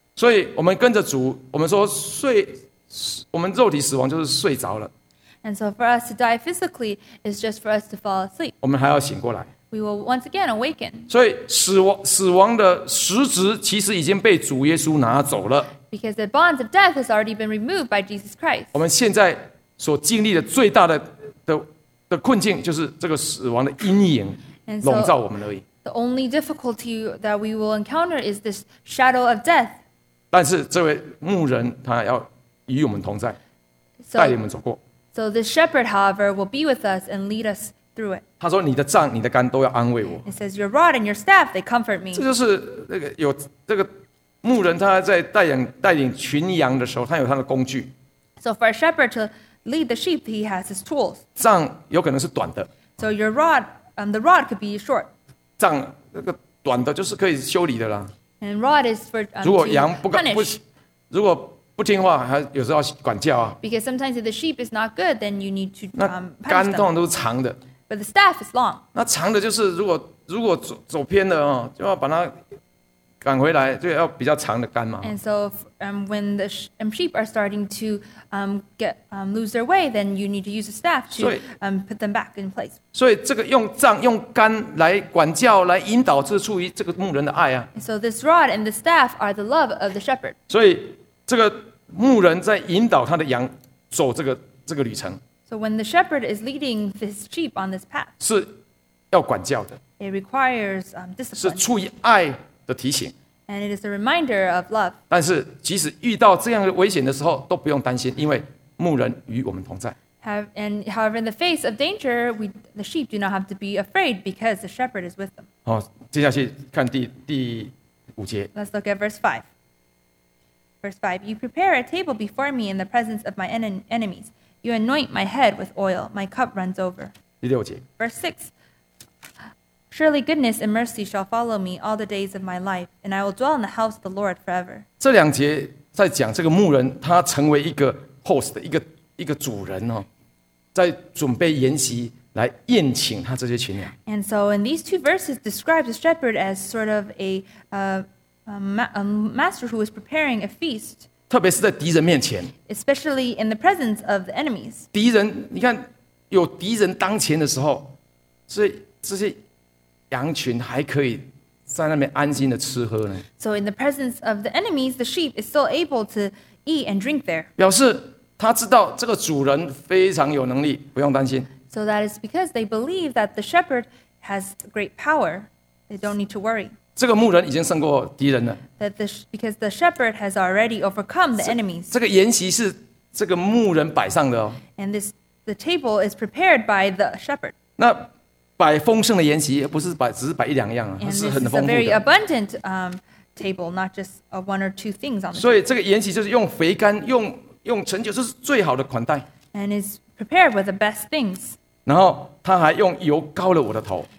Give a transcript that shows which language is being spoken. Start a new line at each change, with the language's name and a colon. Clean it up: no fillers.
Chinese: 所以我们跟着主，我们说睡，我们肉体死亡就是睡着了。
English: And so for us to die physically is just for us to fall asleep.
Chinese: 我们还要醒过来。
English: We will once again awaken.
Chinese: 所以死亡的实质其实已经被主耶稣拿走了。
English: Because the bonds of death has already been removed by Jesus Christ.
Chinese: 我们现在所经历的最大 的困境就是这个死亡的阴影笼罩我们而已。
English: So, the only difficulty that we will encounter is this shadow of death.
Chinese: 但是这位牧人他要与我们同在，带领我们走过。
English: So the shepherd, however, will be with us and lead us through it.
Chinese: 他说：“你的杖、你的竿都要安慰我。”
English: It says, "Your rod and your staff they comfort me."
Chinese: 这就是那个有这个。牧人他在带领群羊的时候，他有他的工具。
English: So for a shepherd to lead the sheep, he has his tools.
Chinese: 杖有可能是短的。
English: So your rod, the rod could be short.
Chinese: 杖那个短的，就是可以修理的啦。
English: And rod is for
Chinese: 如果羊不干不，如果不听话，还有时候要管教啊。
English: Because sometimes if the sheep is not good, then you need to
Chinese: 那杆通常都是长的。
English: But the staff is long.
Chinese: 那长的就是如果走偏了啊，就要把它。赶回来就要比较长的杆嘛。
English: And so, when the sheep are starting to lose their way, then you need to use a staff to put them back in place.
Chinese: 所以这个用杖、用杆来管教、来引导，这是出于这个牧人的爱啊。
English: So this rod and the staff are the love of the shepherd.
Chinese: 所以这个牧人在引导他的羊走这个旅程。
English: So when the shepherd is leading his sheep on this path,
Chinese: 是要管教的。
English: It requires discipline.
Chinese: 是出于爱。的提醒
English: and it is a reminder of love.
Chinese: 但是即使遇到这样的危险的时候都不用担心，因为牧人与我们同在。
English: And however, in the face of danger, the sheep do not have to be afraid because the shepherd is with them.
Chinese: 好，接下去看第五节。
English: Let's look at verse 5. Verse 5, you prepare a table before me in the presence of my enemies. You anoint my head with oil. My cup runs over.
Chinese: 第六节。
English: Verse 6,Surely goodness and mercy shall follow me all the days of my life, and I will dwell in the house of the Lord forever.
Chinese: 这两节在讲这个牧人，他成为一个 host， 一个主人哦，在准备筵席来宴请他这些群羊。
English: And so, in these two verses, describes the shepherd as sort of a master who is preparing a feast.
Chinese: 特别是在敌人面前。
English: Especially in the presence of the enemies.
Chinese: 敌人，你看有敌人当前的时候，所以这些。羊群还可以在那边安心的吃喝呢。
English: So in the presence of the enemies, the sheep is still able to eat and drink there.
Chinese: 表示他知道这个主人非常有能力，不用担心。
English: So that is because they believe that the shepherd has great power. They don't need to worry.
Chinese: 这个牧人已经胜过敌人了。
English: That because the shepherd has already overcome the enemies.
Chinese: 这个筵席是这个牧人摆上的哦。
English: And the table is prepared by the shepherd.
Chinese: 那摆丰盛的筵席，不是摆只是摆一两样啊，是很丰富的。
English: It's a very abundant table, not just one or two things on the.
Chinese: 所以这个筵席就是用肥甘，用陈酒，这是最好的款待。
English: And is prepared with the best things.
Chinese: 然后他还用油膏了我的头。